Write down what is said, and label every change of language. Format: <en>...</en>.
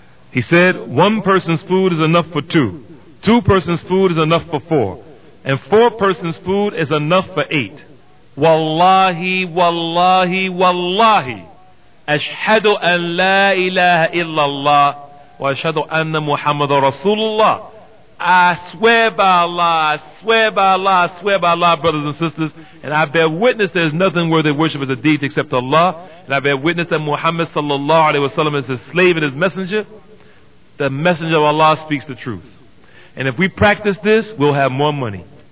<en>He said, "One person's food is enough for two. Two persons' food is enough for four. And four persons' food is enough for eight.</en> <ar>Wallahi, wallahi, wallahi, أَشْحَدُ أَن لَا إِلَهَ إِلَّا اللَّهِ وأشهد أن محمد رسول الله.</ar> <en>I swear by Allah, I swear by Allah, I swear by Allah, brothers and sisters, and I bear witness there is nothing worthy of worship as a deity except Allah, and I bear witness that Muhammad sallallahu alayhi wasallam is his slave and his messenger. The messenger of Allah speaks the truth. And if we practice this, we'll have more money.</en>